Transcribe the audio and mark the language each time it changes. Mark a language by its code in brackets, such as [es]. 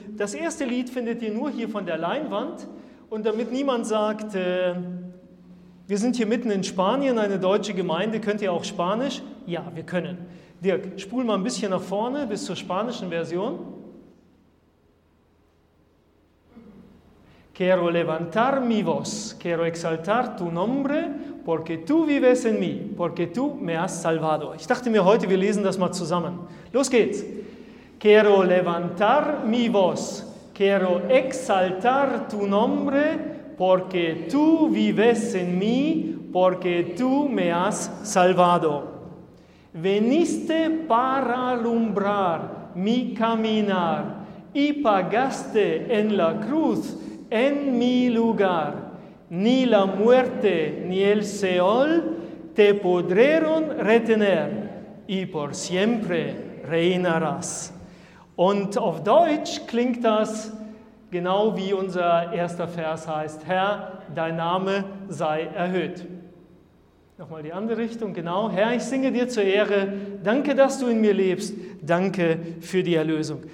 [de] Das erste Lied findet ihr nur hier von der Leinwand. Und damit niemand sagt, wir sind hier mitten in Spanien, eine deutsche Gemeinde, könnt ihr auch Spanisch? Ja, wir können. Dirk, spul mal ein bisschen nach vorne bis zur spanischen Version. [es] Quiero levantar mi voz, quiero exaltar tu nombre, porque tú vives en mí, porque tú me has salvado. [de] Ich dachte mir heute, wir lesen das mal zusammen. Los geht's. [es] Quiero levantar mi voz, quiero exaltar tu nombre, porque tú vives en mí, porque tú me has salvado. Veniste para alumbrar mi caminar y pagaste en la cruz en mi lugar, ni la muerte ni el Seol te podrán retener y por siempre reinarás. [de] Und auf Deutsch klingt das genau wie unser erster Vers heißt, Herr, dein Name sei erhöht. Nochmal die andere Richtung, genau. Herr, ich singe dir zur Ehre, danke, dass du in mir lebst, danke für die Erlösung.